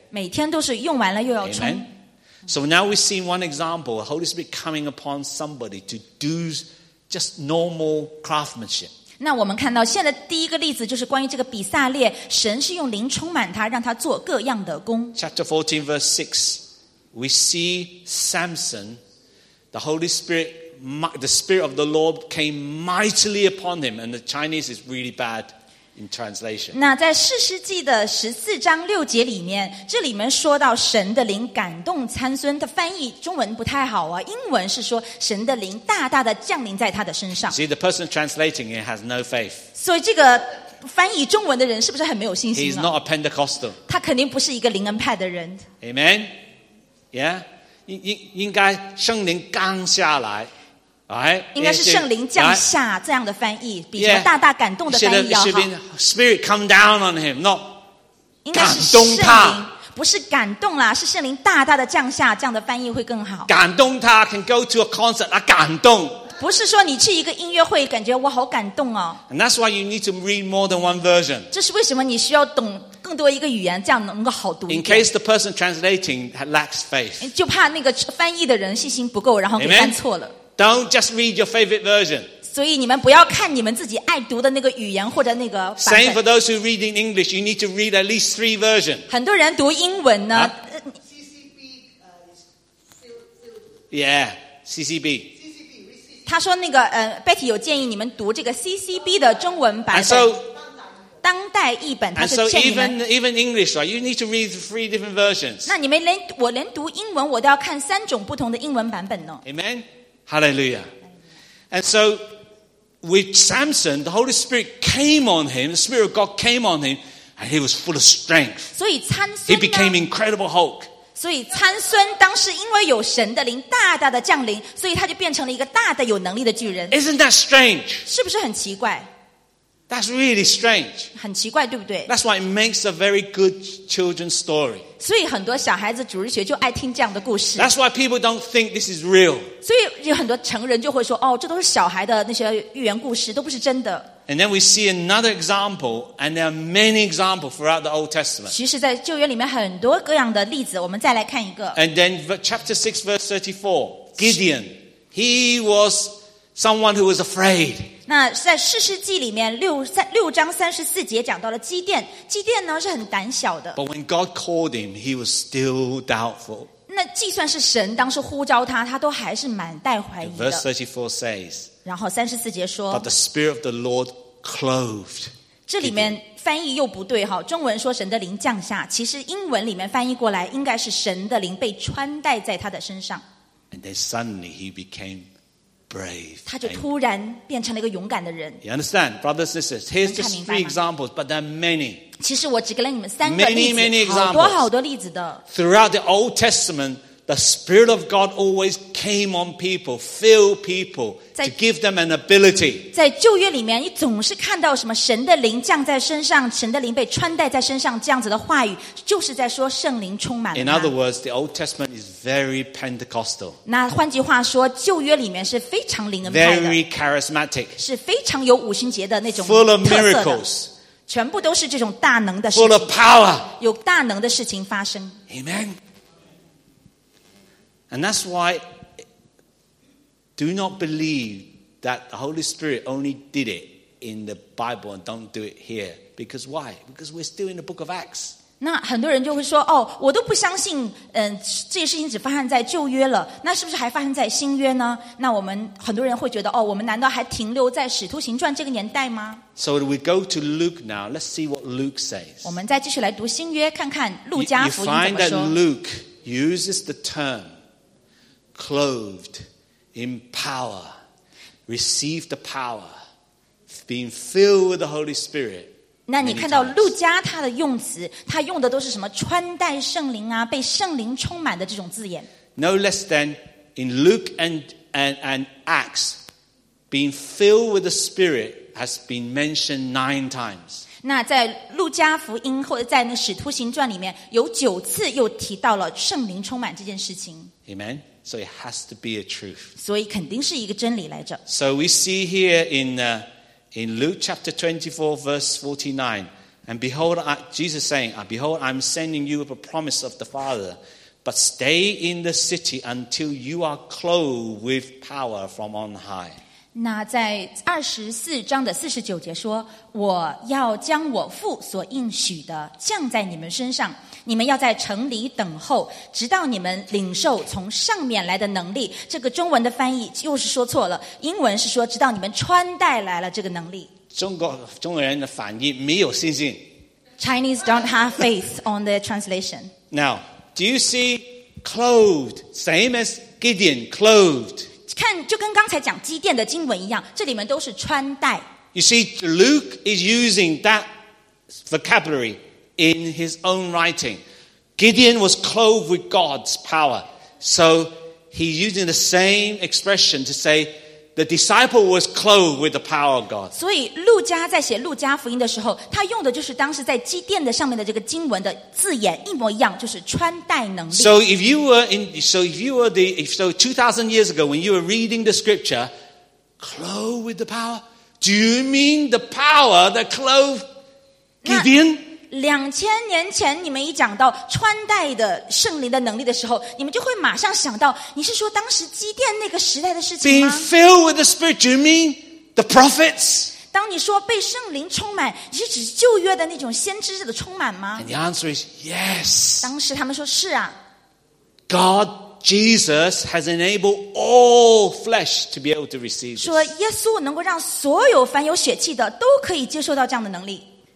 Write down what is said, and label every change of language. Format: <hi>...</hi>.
<zh>每天都是用完了又要充</zh> <en>Amen. So now we see one example the Holy Spirit coming upon somebody to do just normal craftsmanship</en> <zh>那我们看到现在第一个例子就是关于这个比撒列神是用灵充满他让他做各样的工</zh> <en>Chapter 14 verse 6 We see Samson the Holy SpiritThe Spirit of the Lord came mightily upon him, and the Chinese is really bad in translation.</en> <zh>那在士师记的十四章六节里面，这里面说到神的灵感动参孙，他翻译中文不太好啊。英文是说神的灵大大的降临在他的身上。</zh> <en>See, the person translating it has no faith.</en> <zh>所以这个翻译中文的人是不是很没有信心呢</zh> <en>？He's not a Pentecostal.</en> <zh>他肯定不是一个灵恩派的人。 Amen.</zh> <en>Yeah,</en> <zh>应该圣灵刚下来。</zh> <en>Right?</en> <zh>应该是圣灵降下、</zh> <en>right?</en> <zh>这样的翻译比较大大感动的翻译要好</zh> <en>it should be Spirit come down on him not</en> <zh>应该是圣灵感动他不是感动啦是圣灵大大的降下这样的翻译会更好感动他</zh> <en>can go to a concert</en> <zh>来感动不是说你去一个音乐会感觉我好感动哦</zh> <en>and that's why you need to read more than one version</en> <zh>这是为什么你需要懂更多一个语言这样能够好读一点</zh> <en>in case the person translating lacks faith</en> <zh>就怕那个翻译的人信心不够然后给翻错了、</zh> <en>Amen? Don't just read your favorite version.</en> <zh>所以你们不要看你们自己爱读的那个语言或者那个版本。</zh> <en>Same for those who read in English, you need to read at least three versions.</en> <zh>很多人读英文呢。</zh> <en>CCB, yeah, CCB.</en> <zh>他说那个Betty 有建议你们读这个 CCB 的中文版本。当代译本，它是建议你们。</zh> <en>And so even English, right? You need to read three different versions.</en> <zh>那你们连我连读英文，我都要看三种不同的英文版本呢。</zh> <en>Amen. Hallelujah. And so, with Samson, the Holy Spirit came on him, the Spirit of God came on him, and he was full of strength.</en> <zh>所以参孙呢?</zh> <en>He became Incredible Hulk.</en> <zh>所以参孙当时因为有神的灵大大的降临,所以他就变成了一个大的有能力的巨人。</zh> <en>Isn't that strange?</en> <zh>是不是很奇怪?</zh> <en>That's really strange.</en> <zh>很奇怪,对不对?</zh> <en>That's why it makes a very good children's story.</en> <zh>所以很多小孩子主日学就爱听这样的故事</zh> <en>That's why people don't think this is real</en> <zh>所以有很多成人就会说哦，这都是小孩的那些寓言故事都不是真的</zh> <en>And then we see another example And there are many examples throughout the Old Testament 其实在旧约里面很多各样的例子我们再来看一个 And then chapter 6 verse 34 Gideon He was someone who was afraid.</en> <zh>那在士师记里面六章三十四节讲到了基甸，基甸呢是很胆小的。</zh> <en>But when God called him, he was still doubtful.</en> <zh>那就算是神当时呼召他，他都还是蛮带怀疑的。</zh> <en>Verse 34 says.</en> <zh>然后三十四节说。</zh> <en>But the spirit of the Lord clothed.</en> <zh>这里面翻译又不对哈，中文说神的灵降下，其实英文里面翻译过来应该是神的灵被穿戴在他的身上。</zh> <en>And then suddenly he became. Brave.</en> <zh>他就突然变成了一个勇敢的人。</zh> <en>You understand, brothers and sisters? Here's just three examples, but there are many.</en> <zh>其实我只给了你们三个例子。</zh> <en>Many, many examples.</en> <zh>好多好多例子的。</zh> <en>Throughout the Old Testament, the Spirit of God always came on people, filled people, to give them an ability.</en> <zh>在旧约里面，你总是看到什么神的灵降在身上，神的灵被穿戴在身上，这样子的话语，就是在说圣灵充满了。</zh> <en>In other words, the Old Testament is very Pentecostal.</en> <zh>那换句话说，旧约里面是非常灵恩派的。</zh> <en>Very charismatic.</en> <zh>是非常有五旬节的那种特色的。</zh> <en>Full of miracles.</en> <zh>全部都是这种大能的事情。</zh> <en>Full of power.</en> <zh>有大能的事情发生。</zh> <en>Amen. And that's why, do not believe that the Holy Spirit only did it in the Bible and don't do it here. Because why? Because we're still in the book of Acts.</en> <zh>那很多人就会说，哦，我都不相信，这些事情只发生在旧约了，那是不是还发生在新约呢？那我们很多人会觉得，哦，我们难道还停留在使徒行传这个年代吗？</zh> <en>So we go to Luke now, let's see what Luke says.</en> <zh>我们再继续来读新约，看看路加福音怎么说。</zh> <en>You find that Luke uses the term,Clothed in power, received the power, being filled with the Holy Spirit.</en> <zh>那你看到路加他的用词，他用的都是什么？穿戴圣灵啊，被圣灵充满的这种字眼。</zh> <en>No less than in Luke and Acts, being filled with the Spirit has been mentioned 9 times.</en> <zh>那在路加福音或者在那使徒行传里面，有九次又提到了圣灵充满这件事情。</zh> <en>Amen. So it has to be a truth.</en> <zh>所以肯定是一个真理来着。</zh> <en>So we see here in Luke chapter 24, verse 49, and behold, Jesus saying, behold, I'm sending you a promise of the Father, but stay in the city until you are clothed with power from on high.</en> <zh>那在24章的49节说，我要将我父所应许的降在你们身上。你们要在城里等候，直到你们领受从上面来的能力。这个中文的翻译又是说错了，英文是说直到你们穿戴来了这个能力。中国人的反应没有信心。</zh> <en>Chinese don't have faith on the translation. Now, do you see clothed, same as Gideon, clothed? 看，就跟刚才讲基甸的经文一样，这里面都是穿戴。 You see, Luke is using that vocabulary. In his own writing, Gideon was clothed with God's power. So he's using the same expression to say the disciple was clothed with the power of God.</en> <zh>所以路加在写路加福音的时候，他用的就是当时在基甸的上面的这个经文的字眼一模一样，就是穿戴能力。</zh> <en>So if you were in, so if you were the, if so 2,000 years ago when you were reading the scripture, clothed with the power, do you mean the power that clothed Gideon?</en> <zh>2000年前你们一讲到穿戴的圣灵的能力的时候，你们就会马上想到，你是说当时基甸那个时代的事情吗？</zh> <en>Being filled with the Spirit, do you mean the prophets?</en> <zh>当你说被圣灵充满，你是指旧约的那种先知的充满吗？</zh> <en>And the answer is yes.</en> <zh>当时他们说是啊。</zh> <en>God Jesus has enabled all flesh to be able to receive.</en> <zh>说耶稣能够让所有凡有血气的都可以接受到这样的能力。</zh>